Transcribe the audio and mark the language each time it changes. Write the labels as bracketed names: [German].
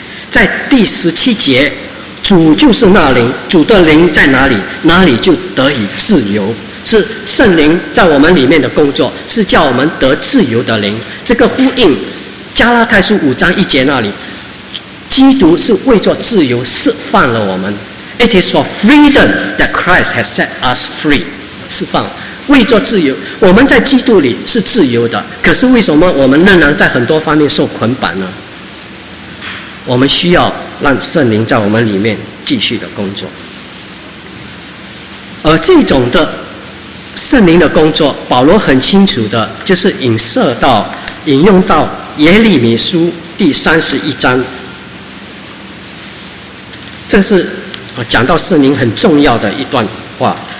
[Chinese] 在第十七节，主就是那灵，主的灵在哪里，哪里就得以自由。是圣灵在我们里面的工作，是叫我们得自由的灵。这个呼应加拉太书五章一节那里，基督是为着自由释放了我们。 [English] It is for freedom that Christ has set us free， [Chinese] 释放为着自由，我们在基督里是自由的。可是为什么我们仍然在很多方面受捆绑呢？我们需要让圣灵在我们里面继续的工作。而这种的圣灵的工作，保罗很清楚的就是引用到耶利米书第三十一章，这是讲到圣灵很重要的一段话。